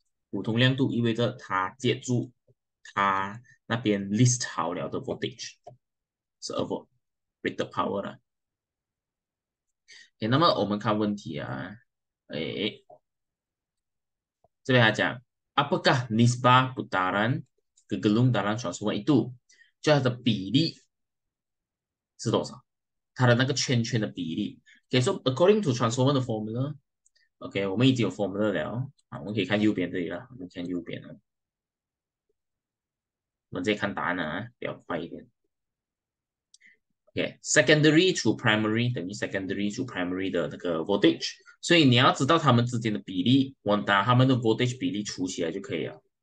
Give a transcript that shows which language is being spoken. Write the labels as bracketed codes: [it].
[zh] 普通亮度意味着它借助它那边 list 好了的 voltage 是 12 volt rated power 了。那么我们看问题啊，哎，这边还讲 [ms] apakah nisbah putaran kegelung dalam transformer itu [zh] 就它的比例是多少？它的那个圈圈的比例， [en] okay, so according to transformer [zh] 的 formula。 OK，我们已经有 formula 了，好，我们可以看右边这里了，我们看右边了，我们再看答案啊，比较快一点。 OK，secondary to primary 等于 secondary to primary 的那个 voltage，所以你要知道它们之间的比例，我拿它们的 voltage 比例除起来就可以了。